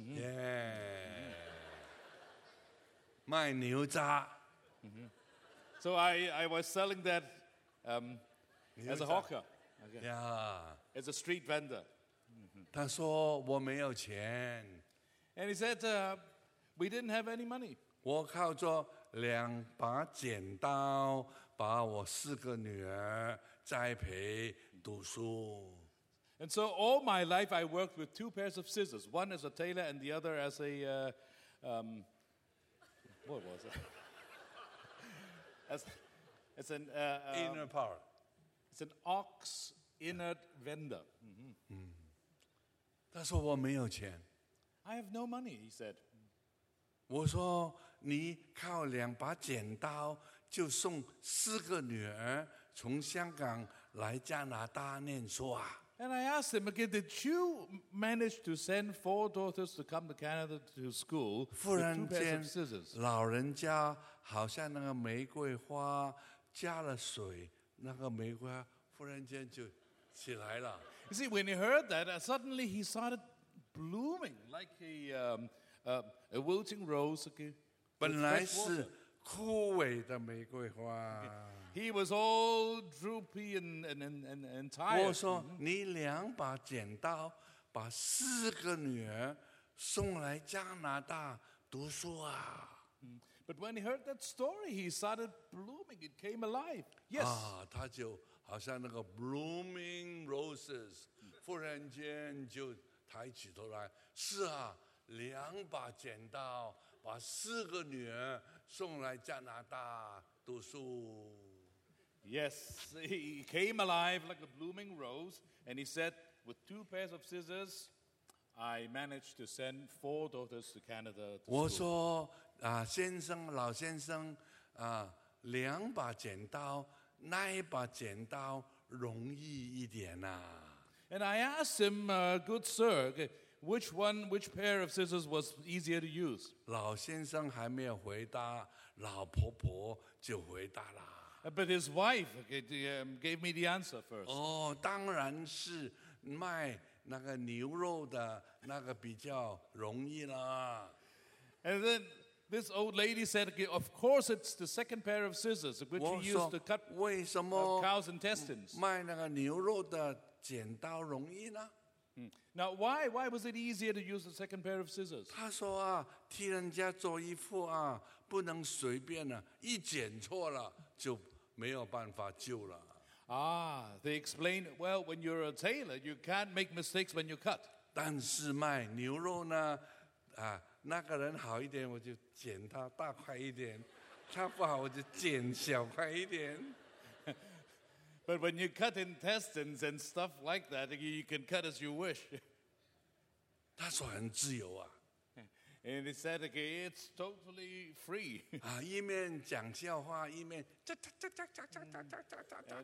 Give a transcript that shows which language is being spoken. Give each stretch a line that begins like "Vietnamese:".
English: yeah
Chinese: 卖牛渣
English: so I was selling that as a hawker okay. yeah as a street vendor
Chinese: 他说我没有钱。
English: And he said, we didn't have any money.
Chinese: 我靠着两把剪刀把我四个女儿栽培读书。
English: And so all my life I worked with two pairs of scissors, one as a tailor and the other as a, what was it? As an, inner power. It's an ox inner vendor.
Chinese: 他说我没有钱。
English: I have no money, he said.
Chinese: 我说你靠两把剪刀就送四个女儿从香港来加拿大念书啊。
English: And I asked him again, did you manage to send four daughters to come to Canada to school with two pairs of scissors?
Chinese: 忽然间，老人家好像那个玫瑰花加了水，那个玫瑰花忽然间就。起来了。
English: You see, when he heard that, suddenly he started blooming like a wilting rose. Okay,
Chinese: 本来是枯萎的玫瑰花。
English: He was all droopy and tired.
Chinese: 我说你两把剪刀把四个女儿送来加拿大读书啊。
English: But when he heard that story, he started blooming. It came alive. Yes.
Chinese: 啊，他就。好像那个
English: blooming roses
Chinese: 忽然间就抬起头来是啊两把剪刀把四个女儿送来加拿大读书
English: Yes, he came alive like a blooming rose, and he said, with two pairs of scissors, I managed to send four daughters to Canada to school.
Chinese: 我说，先生，老先生，两把剪刀，那一把剪刀容易一点啊。
English: And I asked him, good sir, which pair of scissors was easier to use?
Chinese: 老先生还没有回答，老婆婆就回答了。
English: But his wife gave me the answer first.
Chinese: Oh, 当然是卖那个牛肉的那个比较容易啦。
English: And then this old lady said, okay, of course it's the second pair of scissors which you use to cut cow's intestines.
Chinese: 卖那个牛肉的剪刀容易呢？
English: Now, why was it easier to use the second pair of scissors?
Chinese: 他说啊，替人家做衣服啊，不能随便啊，一剪错了就没有办法救了。
English: Ah, they explained, well, when you're a tailor, you can't make mistakes when you cut.
Chinese: 但是卖牛肉呢，那个人好一点，我就剪他大块一点；他不好，我就剪小块一点。
English: But when you cut intestines and stuff like that, you can cut as you wish.
Chinese: 他说很自由啊。
English: And he said, okay, it's totally free.
Chinese: 一面讲笑话，一面哒哒哒哒哒哒哒哒哒哒哒。